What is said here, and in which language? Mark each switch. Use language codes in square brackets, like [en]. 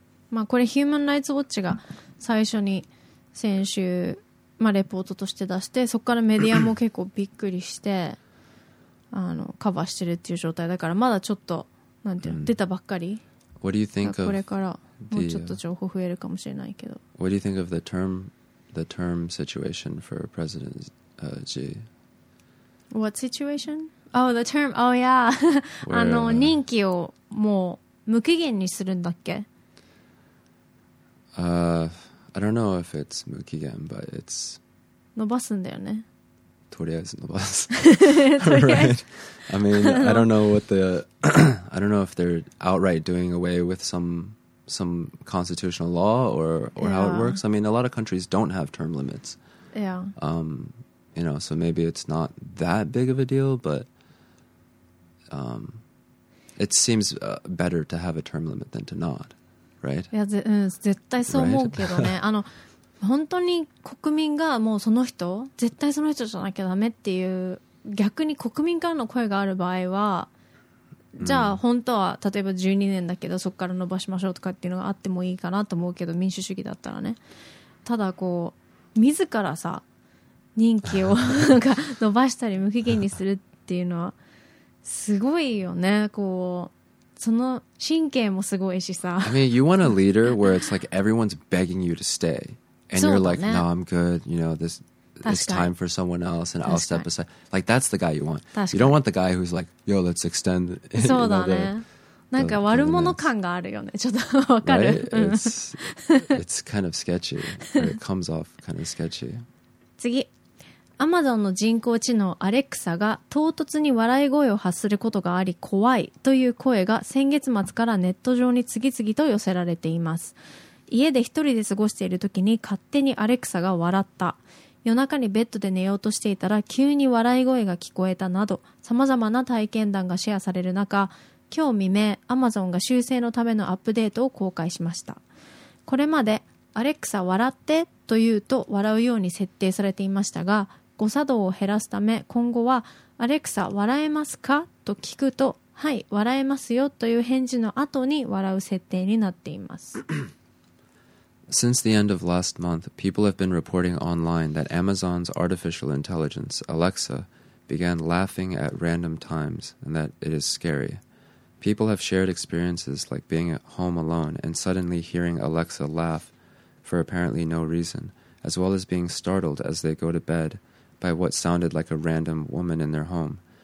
[ja] まあこれ、Human Rights Watch が最初に先週、まあレポートとして出して、そこからメディアも結構びっくりして、あの、カバーしてるっていう状態だから、まだちょっと、なんていうの、出たばっかり。 [en] What do you think of? [ja] これからもうちょっと情報増えるかもしれないけど。 [en] What do you think of the term situation for President Xi? What situation? Oh, the term. Oh, yeah. [ja] あの任期をもう無期限にするんだっけ [en] I don't know if it's 無期限, but it's [ja] 伸ばすんだよね。とりあえず伸ばす。Right. [en] I mean, I don't know what the I don't know if they're outright doing away with some constitutional law or yeah. how it works. I mean, a lot of countries don't have term limits. Yeah. You know, so maybe it's not that big of a deal, but it seems better to have a term limit than to not, right? [ja] いや、絶対そう思うけどね。あの、本当に国民がもうその人、絶対その人じゃなきゃダメっていう、逆に国民からの声がある場合は、じゃあ本当は例えば12年だけどそこから伸ばしましょうとかっていうのがあってもいいかなと思うけど、民主主義だったらね。ただこう自らさ任期をなんか伸ばしたり無期限にするっていうのはすごいよね。こうその神経もすごいしさ。 [en] I mean, you want a leader where it's like everyone's begging you to stay, and you're like, no, I'm good. You know, this it's time for someone else, and I'll step aside. Like that's the guy you want. You don't want the guy who's like, yo, let's extend. [ja] そうだね。なんか悪者感があるよね。ちょっとわかる。 [en] It's kind of sketchy. It comes off kind of sketchy. [ja] 次。アマゾンの人工知能アレクサが唐突に笑い声を発することがあり怖いという声が先月末からネット上に次々と寄せられています。家で一人で過ごしている時に勝手にアレクサが笑った、夜中にベッドで寝ようとしていたら急に笑い声が聞こえたなど、様々な体験談がシェアされる中、今日未明アマゾンが修正のためのアップデートを公開しました。これまでアレクサ笑ってと言うと笑うように設定されていましたが、誤作動を減らすため今後はアレクサ笑えますかと聞くと、はい笑えますよという返事の後に笑う設定になっています。 [en] Since the end of last month, people have been reporting online that Amazon's artificial intelligence, Alexa, began laughing at random times and that it is scary. People have shared experiences like being at home alone and suddenly hearing Alexa laugh for apparently no reason, as well as being startled as they go to bed by what sounded like a random woman in their home.